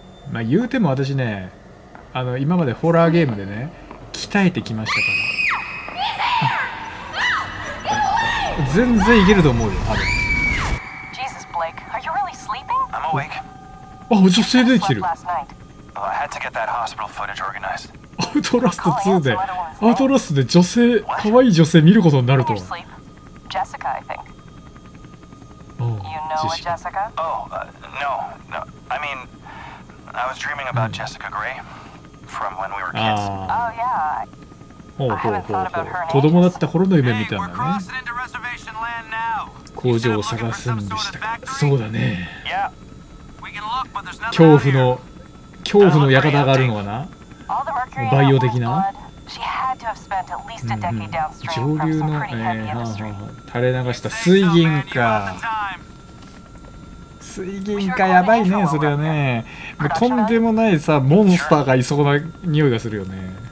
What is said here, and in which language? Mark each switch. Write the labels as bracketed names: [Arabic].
[Japanese] まあ、言うても私ね、あの今までホラーゲームでね鍛えてきましたから全然いけると思うよ多分。 [English] Jesus, Blake. Are you really sleeping? I'm awake. [Japanese] あ、女性出てきてる。 [English] I had to get that hospital footage organized. [Japanese] アウトラスト2でアウトラストで女性、可愛い女性見ることになると思う。 [English] Jessica, I think. You know a Jessica? Oh, no, no. I meanI was dreaming about Jessica Gray from when we were kids. Oh, yeah. I haven't thought about her in ages. [Japanese] 子供だった頃の夢みたいなね。 [English] Hey, we're crossing into reservation land now. [Japanese] 工場を探すんでしたか。そうだね。 [English] Yeah. We can look, but there's nothing out here. [Japanese] 恐怖の館があるのかな。バイオ的な。 [English] She had to have spent at least a decade downstream from some pretty heavy industry. [Japanese] 上流の、垂れ流した水銀か。水銀かやばいね、それはね。もうとんでもないさ、モンスターがいそうな匂いがするよね。